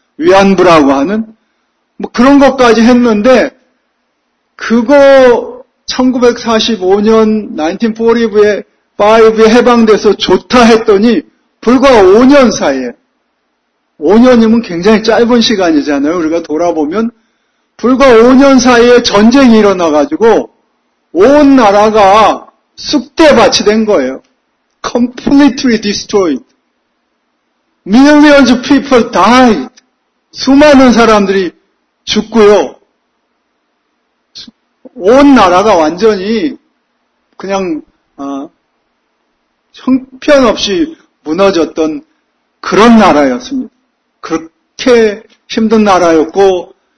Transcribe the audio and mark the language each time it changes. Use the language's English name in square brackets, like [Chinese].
[Korean] 위안부라고 하는 뭐 그런 것까지 했는데 그거 1945년 1945에 해방돼서 좋다 했더니 불과 5년 사이에, 5년이면 굉장히 짧은 시간이잖아요. 우리가 돌아보면 불과 5년 사이에 전쟁이 일어나가지고 온 나라가 쑥대밭이 된 거예요. [English] Completely destroyed. Millions of people died. [Korean] 수많은 사람들이 죽고요. 온 나라가 완전히 그냥 형편없이 무너졌던 그런 나라였습니다. 그렇게 힘든 나라였고